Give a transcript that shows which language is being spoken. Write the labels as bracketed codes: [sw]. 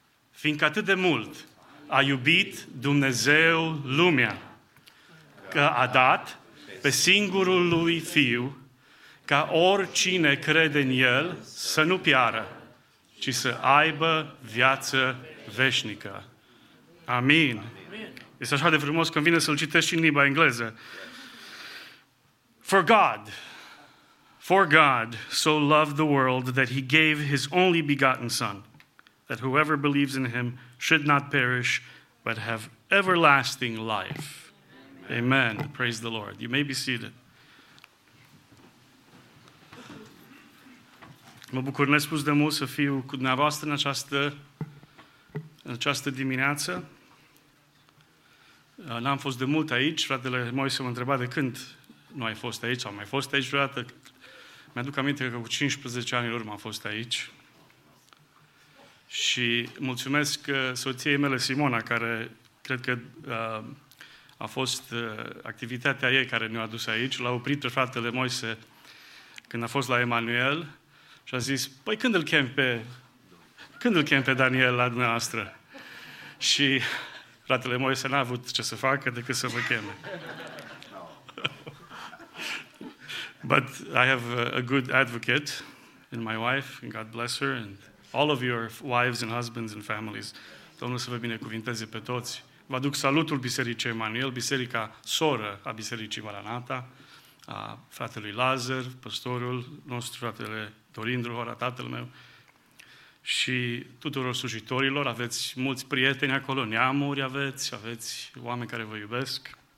[ro] Fiindcă atât de mult a iubit Dumnezeu lumea, că a dat pe singurul Lui Fiu, ca oricine crede în El să nu piară, ci să aibă viață veșnică. Amin. Este așa de frumos când vine să-l citești și în limba engleză. [en] For God so loved the world that He gave His only begotten Son, that whoever believes in Him should not perish, but have everlasting life. Amen. Praise the Lord. You may be seated. [ro] Mă bucur nespus de mult să fiu cu dumneavoastră în această dimineață. N-am fost de mult aici. Fratele Moise m-a întrebat de când nu ai fost aici. Am mai fost aici vreodată? Mi-aduc aminte că cu 15 ani în urmă am fost aici. Și mulțumesc soției mele, Simona, care cred că a fost activitatea ei care ne-a adus aici. L-a oprit pe fratele Moise când a fost la Emanuel și a zis, păi când îl chem pe Daniel la dumneavoastră? Și fratele Moise n-a avut ce să facă decât să vă cheme. [en] But I have a good advocate in my wife, and God bless her, and all of your wives and husbands and families. [ro] Domnul să vă binecuvinteze pe toți. Vă aduc salutul Bisericii Emanuel, biserica soră a Bisericii Maranata, a fratelui Lazar, păstorul nostru, fratele Dorin Drohora, tatăl meu, și tuturor slujitorilor. Aveți mulți prieteni acolo, neamuri aveți oameni care vă iubesc.